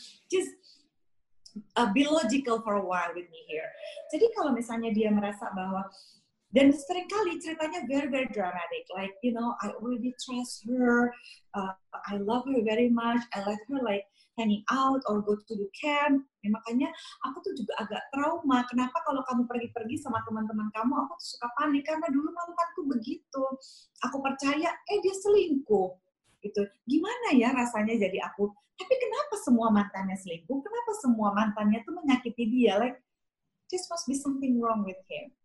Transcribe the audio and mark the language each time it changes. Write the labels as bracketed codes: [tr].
[en] Just be logical for a while with me here. [id] Jadi kalau misalnya dia merasa bahwa, dan seringkali ceritanya [en] very, very dramatic. Like, you know, I already trust her, I love her very much, I let her like, hanging out or go to the camp. [id] Ya, makanya aku tuh juga agak trauma. Kenapa kalau kamu pergi-pergi sama teman-teman kamu, aku tuh suka panik karena dulu mantanku begitu. Aku percaya, dia selingkuh. Gitu. Gimana ya rasanya jadi aku? Tapi kenapa semua mantannya selingkuh? Kenapa semua mantannya tuh menyakiti dia? [en] Like, this must be something wrong with him.